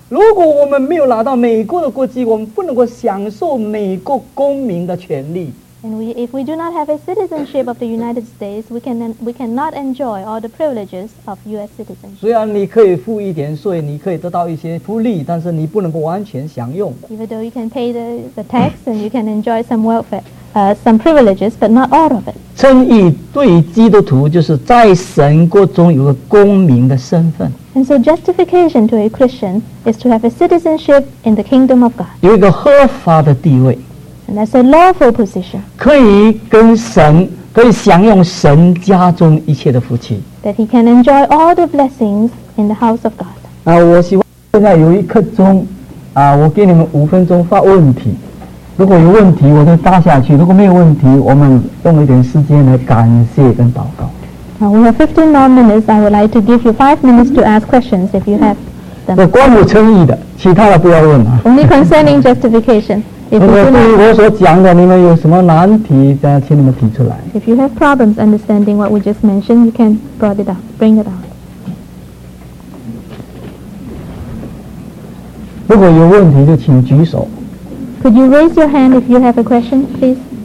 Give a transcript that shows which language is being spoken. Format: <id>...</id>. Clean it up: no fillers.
<zh>如果我们没有拿到美国的国籍，我们不能够享受美国公民的权利。</zh> <en>And if we do not have a citizenship of the United States, we cannot enjoy all the privileges of U.S. citizens.</en> <zh>虽然你可以付一点税，你可以得到一些福利，但是你不能够完全享用。</zh> <en>Even though you can pay the tax and you can enjoy some welfare, some privileges, but not all of it.</en> <zh>称义对基督徒就是在神国中有个公民的身份。</zh> <en>And so justification to a Christian is to have a citizenship in the kingdom of God.</en> <zh>有一个合法的地位。</zh> <en>And that's a lawful position.</en> <zh>可以跟神，可以享用神家中一切的福气。</zh> <en>That he can enjoy all the blessings in the house of God.</en> <zh>我希望现在有一刻钟，我给你们五分钟发问题。如果有问题，我就答下去；如果没有问题，我们用一点时间来感谢跟祷告。</zh> <en>Now we have 15 more minutes. I would like to give you 5 minutes to ask questions if you have them.</en> <zh>我关于称义的，其他的不要问了。</zh> <en>Only concerning justification.</en> <zh>我所讲的你们有什么难题请你们提出来</zh> <en>If you have problems understanding what we just mentioned you can bring it up, bring it up.</en> <zh>如果有问题就请举手</zh> <en>Could you raise your hand if you have a question, please?</en>